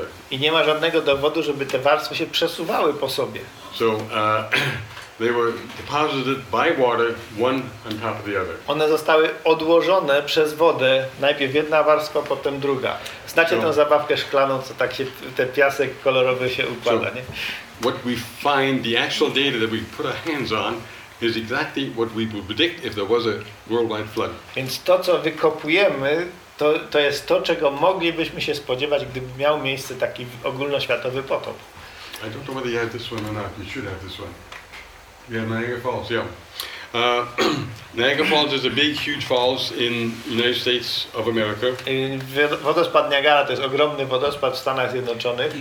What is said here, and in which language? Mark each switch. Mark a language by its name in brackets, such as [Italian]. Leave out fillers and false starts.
[Polish] I nie ma żadnego dowodu, żeby te warstwy się przesuwały po sobie. [English] So, they were deposited by water, one on top of the other. [Polish] One zostały odłożone przez wodę, najpierw jedna warstwa, potem druga. Znacie tę zabawkę szklaną, co tak się ten piasek kolorowy się układa, nie? [English] What we find, the actual data that we put our hands on, is exactly what we would predict if there was a worldwide flood. [Polish] Więc to, co wykopujemy, to jest to, czego moglibyśmy się spodziewać, gdyby miał miejsce taki ogólnoświatowy potop. [English] I don't know whether you have this one or not. You should have this one. Yeah, Niagara Falls, yeah. Niagara Falls is a big, huge falls in the United States of America. [Polish] Wodospad Niagara to jest ogromny wodospad w Stanach Zjednoczonych.